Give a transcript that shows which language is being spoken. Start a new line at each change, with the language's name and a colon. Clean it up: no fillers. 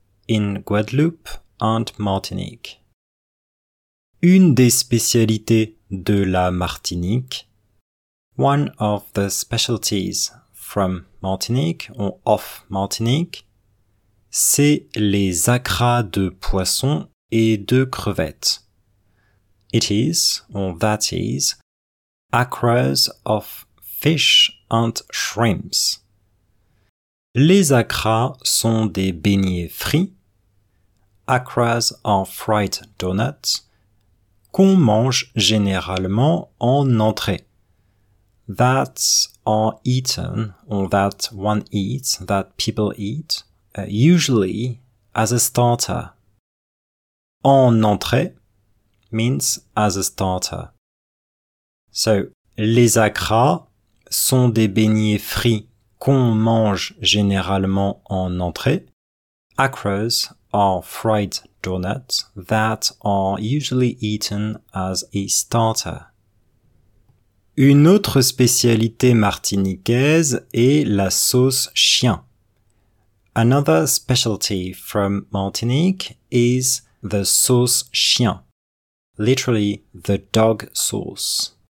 English: In Guadeloupe and Martinique.
French: Une des spécialités de la Martinique.
English: One of the specialties from Martinique or off Martinique.
French: C'est les acras de poisson et de crevettes.
English: It is, or that is, acras of fish and shrimps.
French: Les acras sont des beignets frits,
English: acras are fried donuts,
French: qu'on mange généralement en entrée.
English: That are eaten, or that one eats, that people eat, usually as a starter.
French: En entrée
English: means as a starter.
French: So, les acras sont des beignets frits qu'on mange généralement en entrée.
English: Acras are fried donuts that are usually eaten as a starter.
French: Une autre spécialité martiniquaise est la sauce chien.
English: Another specialty from Martinique is the sauce chien, literally the dog sauce.